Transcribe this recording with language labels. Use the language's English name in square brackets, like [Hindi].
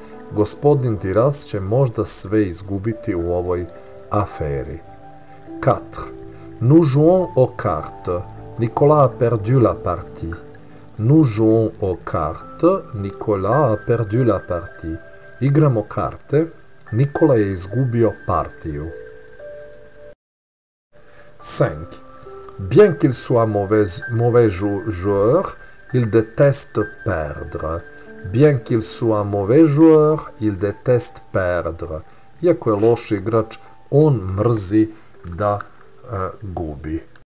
[Serbian] Gospodin Duras će možda sve izgubiti u ovoj aferi. 4. [French] Nous jouons aux cartes. Nicolas a perdu la partie. Nous jouons aux cartes. Nicolas a perdu la partie. [Serbian] Igramo karte. Nikola je izgubio partiju. 5. [French] Bien qu'il soit mauvais joueur, il déteste perdre. Bien qu'il soit mauvais joueur, il déteste perdre. [Serbian] Iako je loš igrač, on mrzi da gubi.